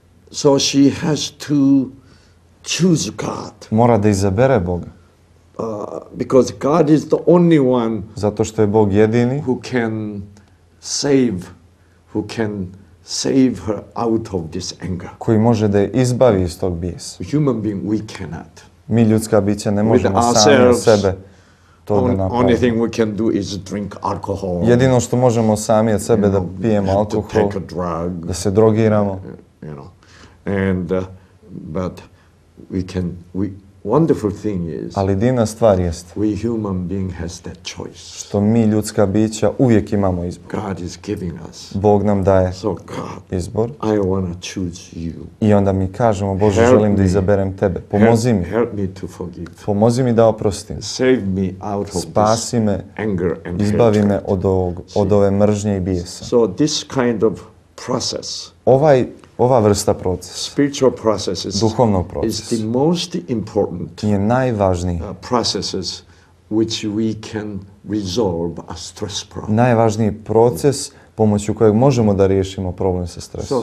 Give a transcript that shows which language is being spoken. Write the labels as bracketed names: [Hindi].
[English] So she has to choose God. [Bosnian] Mora da izabere Boga. [English] Because God is the only one. [Bosnian] Zato što je Bog jedini. [English] Who can save her out of this anger. [Bosnian] Koji može da je izbavi iz tog bijesa. [English] Human being, we cannot. [Bosnian] Mi ljudska bića ne možemo sami od sebe to da napravimo. [English] Only thing we can do is drink alcohol. [Bosnian] Jedino što možemo sami od sebe da pijemo alkohol, da se drogiramo. [English] You know, and but we can. We wonderful thing is. [Bosnian] Ali divna stvar jest. [English] We human being has that choice. [Bosnian] Što mi ljudska bića uvijek imamo izbor. [English] God is giving us. [Bosnian] Bog nam daje. [English] So God. [Bosnian] Izbor. [English] I wanna choose you. [Bosnian] I onda mi kažemo, Bože, želim da izaberem tebe. Pomozi mi. [English] Help me to forgive. [Bosnian] Pomozi mi da oprostim. [English] Save me out of this anger and hatred. [Bosnian] Izbavi me od ove mržnje i bijesa. [English] So this kind of process. [Bosnian] Ova vrsta procesa, [English] spiritual processes, [Bosnian] duhovnog procesa, [English] is the most important [Bosnian] je najvažniji [English] processes which we can resolve a stress problem. [Bosnian] Najvažniji proces pomoću kojeg možemo da riješimo problem sa stresom.